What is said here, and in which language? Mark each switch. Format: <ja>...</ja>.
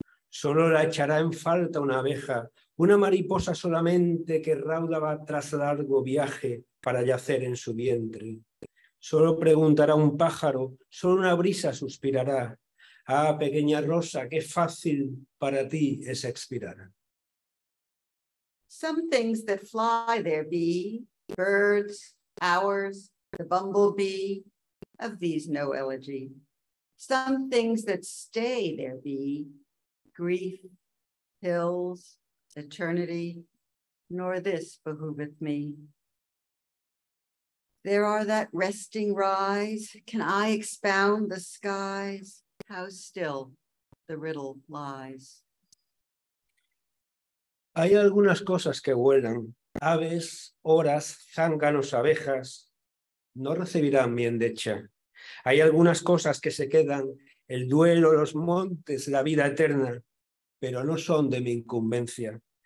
<es>Solo la echará en falta una abeja, una mariposa solamente que rauda va tras largo viaje para yacer en su vientre. Solo preguntará un pájaro, solo una brisa suspirará. Ah, pequeña rosa, qué fácil para ti es expirar.</es> <en>Some things that fly there be, birds, hours, the bumblebee, of these no elegy. Some things that stay there be, grief, pills, eternity, nor this behooveth me. There are that resting rise, can I expound the skies? How still the riddle lies.</en> <es>Hay algunas cosas que vuelan, aves, horas, zánganos, abejas, no recibirán mi endecha. Hay algunas cosas que se quedan, el duelo, los montes, la vida eterna, pero no son de mi incumbencia.</es>